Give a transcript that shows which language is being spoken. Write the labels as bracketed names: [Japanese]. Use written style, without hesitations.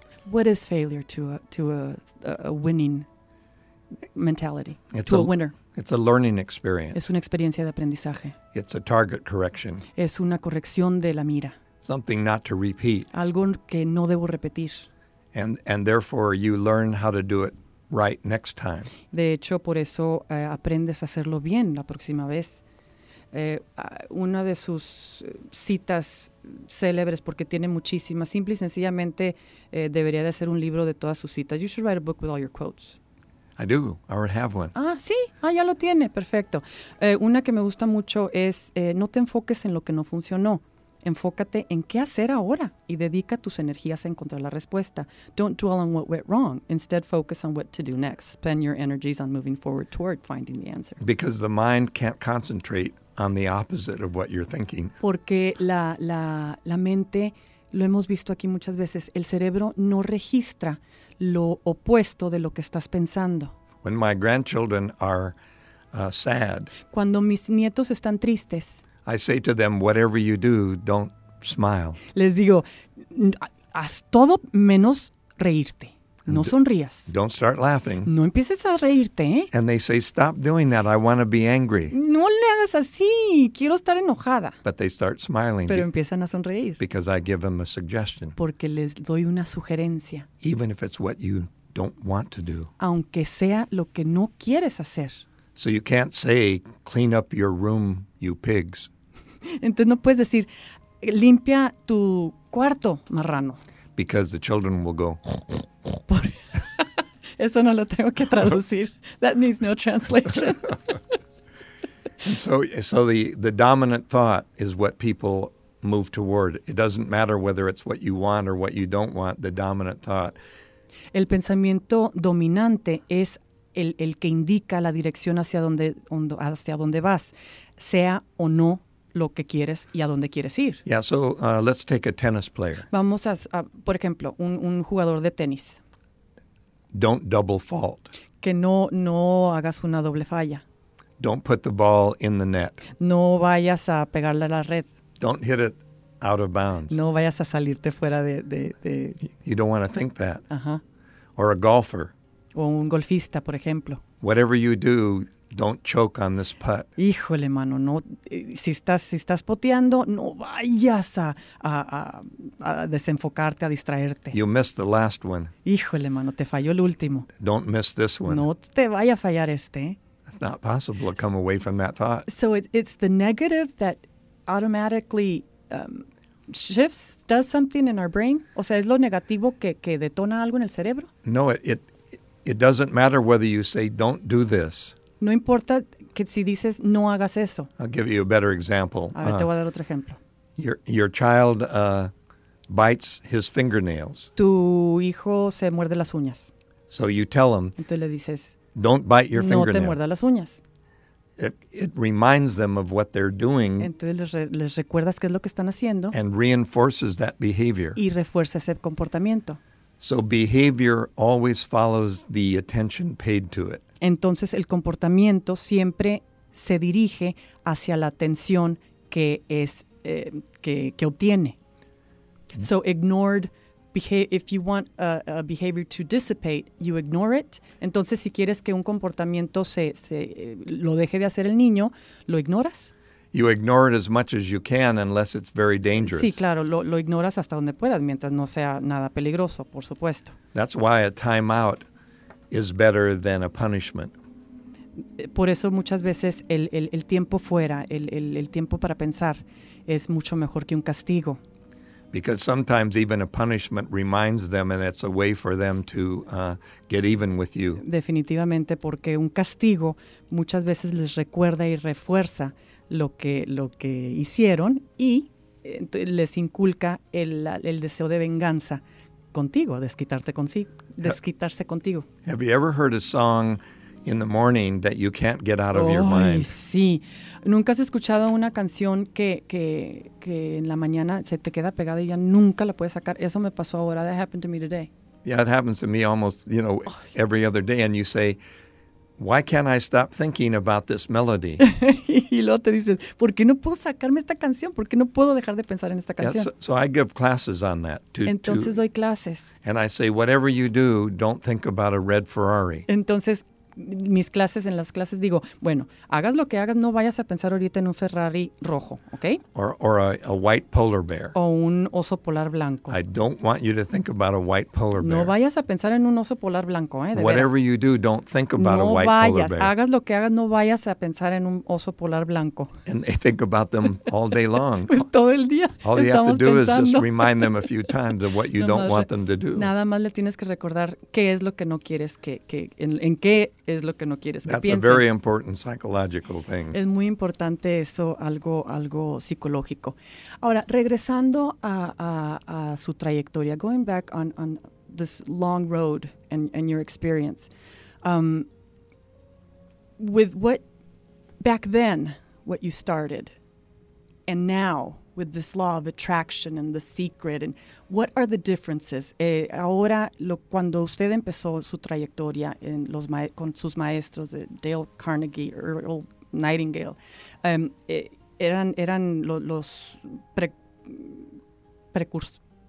[English] What is failure to a winning mentality, a winner? It's a learning experience. [Spanish] Es una experiencia de aprendizaje. [English] It's a target correction. [Spanish] Es una corrección de la mira. [English] Something not to repeat. [Spanish] Algo que no debo repetir. [English] And therefore you learn how to do it right next time. [Spanish] De hecho, por eso aprendes a hacerlo bien la próxima vez. Una de sus citas célebres, porque tiene muchísimas, simple y sencillamente debería de hacer un libro de todas sus citas. [English] You should write a book with all your quotes. I do. I already have one. [Spanish] Ah, sí. Ah, ya lo tiene. Perfecto. Una que me gusta mucho es, no te enfoques en lo que no funcionó. Enfócate en qué hacer ahora y dedica tus energías a encontrar la respuesta. [English] Don't dwell on what went wrong. Instead, focus on what to do next. Spend your energies on moving forward toward finding the answer. Because the mind can't concentrate on the opposite of what you're thinking. [Spanish] Porque la mente, lo hemos visto aquí muchas veces, el cerebro no registra lo opuesto de lo que estás pensando. [English] When my grandchildren are sad. [Spanish] Cuando mis nietos están tristes. [English] I say to them, whatever you do, don't smile. [Spanish] Les digo, haz todo menos reírte. No sonrías. [English] Don't start laughing. [Spanish] No empieces a reírte, ¿eh? [English] And they say, stop doing that. I want to be angry. [Spanish] No le hagas así. Quiero estar enojada. [English] But they start smiling. [Spanish] Pero empiezan a sonreír. [English] Because I give them a suggestion. [Spanish] Porque les doy una sugerencia. [English] Even if it's what you don't want to do. [Spanish] Aunque sea lo que no quieres hacer. [English] So you can't say, clean up your room, you pigs. [Spanish] Entonces no puedes decir, limpia tu cuarto, marrano. [English] Because the children will go. [Spanish] Eso no lo tengo que traducir. [English] That needs no translation. So the dominant thought is what people move toward. It doesn't matter whether it's what you want or what you don't want, the dominant thought. [Spanish] El pensamiento dominante es el que indica la dirección hacia donde vas, sea o no lo que quieres y a dónde quieres ir. [English] Yeah, so let's take a tennis player. [Spanish] Vamos a, por ejemplo, un jugador de tenis. [English] Don't double fault. [Spanish] Que no, no hagas una doble falla. [English] Don't put the ball in the net. [Spanish] No vayas a pegarle a la red. [English] Don't hit it out of bounds. [Spanish] No vayas a salirte fuera de... [English] You don't want to think that. Uh-huh. Or a golfer. [Spanish] O un golfista, por ejemplo. [English] Whatever you do, don't choke on this putt. [Spanish] Híjole, mano, no. Si estás poteando, no vayas a desenfocarte, a distraerte. [English] You missed the last one. [Spanish] Híjole, mano, te falló el último. [English] Don't miss this one. [Spanish] No te vaya a fallar este. [English] It's not possible to come away from that thought. So it's the negative that automatically shifts, does something in our brain? [Spanish] O sea, ¿es lo negativo que detona algo en el cerebro? [English] No, it doesn't matter whether you say, don't do this. [Spanish] No importa que si dices, no hagas eso. [English] I'll give you a better example. [Spanish] A ver, te voy a dar otro ejemplo. [English] Your child bites his fingernails. [Spanish] Tu hijo se muerde las uñas. [English] So you tell him. [Spanish] Entonces le dices, [English] don't bite your fingernail. [Spanish] No te muerdas las uñas. [English] It reminds them of what they're doing. [Spanish] Entonces les recuerdas qué es lo que están haciendo. [English] And reinforces that behavior. [Spanish] Y refuerza ese comportamiento. [English] So behavior always follows the attention paid to it. [Spanish] Entonces el comportamiento siempre se dirige hacia la atención que es que obtiene. [English] So ignored. If you want a behavior to dissipate, you ignore it. [Spanish] Entonces, si quieres que un comportamiento se lo deje de hacer el niño, lo ignoras. [English] You ignore it as much as you can, unless it's very dangerous. [Spanish] Sí, claro, lo ignoras hasta donde puedas, mientras no sea nada peligroso, por supuesto. [English] That's why a timeout is better than a punishment. [Spanish] Por eso muchas veces el tiempo fuera, el tiempo para pensar, es mucho mejor que un castigo. [English] Because sometimes even a punishment reminds them, and it's a way for them to get even with you. [Spanish] Definitivamente, porque un castigo muchas veces les recuerda y refuerza lo que hicieron y les inculca el deseo de venganza contigo, desquitarse contigo. [English] Have you ever heard a song in the morning that you can't get out of your mind? [Spanish] Sí. ¿Nunca has escuchado una canción que en la mañana se te queda pegada y ya nunca la puedes sacar? Eso me pasó ahora. [English] That happened to me today. Yeah, it happens to me almost, you know, every other day. And you say, why can't I stop thinking about this melody? [Spanish] Y luego te dices, ¿por qué no puedo sacarme esta canción? ¿Por qué no puedo dejar de pensar en esta canción? [English] Yeah, so I give classes on that. [Spanish] Entonces doy clases. [English] And I say, whatever you do, don't think about a red Ferrari. [Spanish] Entonces, mis clases, en las clases digo, bueno, hagas lo que hagas, no vayas a pensar ahorita en un Ferrari rojo, ¿ok? [English] Or a white polar bear. [Spanish] O un oso polar blanco. [English] I don't want you to think about a white polar bear. [Spanish] No vayas a pensar en un oso polar blanco, ¿eh? [English] Whatever you do, don't think about a white polar bear. [Spanish] No vayas, hagas lo que hagas, no vayas a pensar en un oso polar blanco. [English] And they think about them all day long. [Spanish] Pues todo el día. [English] All you have to do is just remind them a few times of what you don't want them to do. [Spanish] Nada más le tienes que recordar qué es lo que no quieres en qué es lo que no quieres que piensen. [English] That's a very important psychological thing. [Spanish] Es muy importante eso, algo psicológico. Ahora, regresando a su trayectoria, [English] going back on this long road and your experience, with what, back then, what you started, and now, with this law of attraction and the secret, and what are the differences? [Spanish] Ahora, cuando usted empezó su trayectoria con sus maestros, Dale Carnegie, Earl Nightingale, eran los precursores.